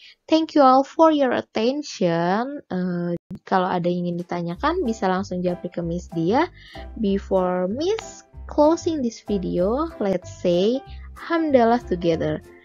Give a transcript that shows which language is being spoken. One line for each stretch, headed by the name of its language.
English: Thank you all for your attention.
Indonesian: Kalau ada yang ingin ditanyakan, bisa langsung jawab ke Miss Dia.
English: Before Miss closing this video, let's say Alhamdulillah together.